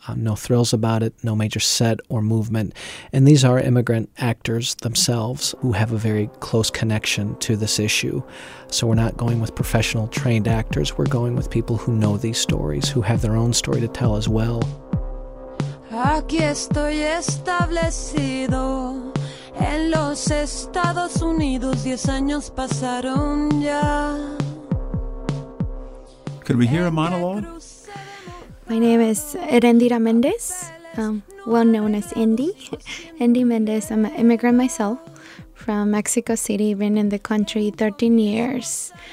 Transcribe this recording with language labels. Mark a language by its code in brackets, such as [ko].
[en] No thrills about it, no major set or movement. And these are immigrant actors themselves who have a very close connection to this issue. So we're not going with professional trained actors. We're going with people who know these stories, who have their own story to tell as well. [es] Aquí estoy establecido en los Estados Unidos. 10 años pasaron ya. [en] Could we hear a monologue? My name is Erendira Mendez, well known as Andy. Andy Mendez. I'm an immigrant myself from Mexico City. Been in the country 13 years.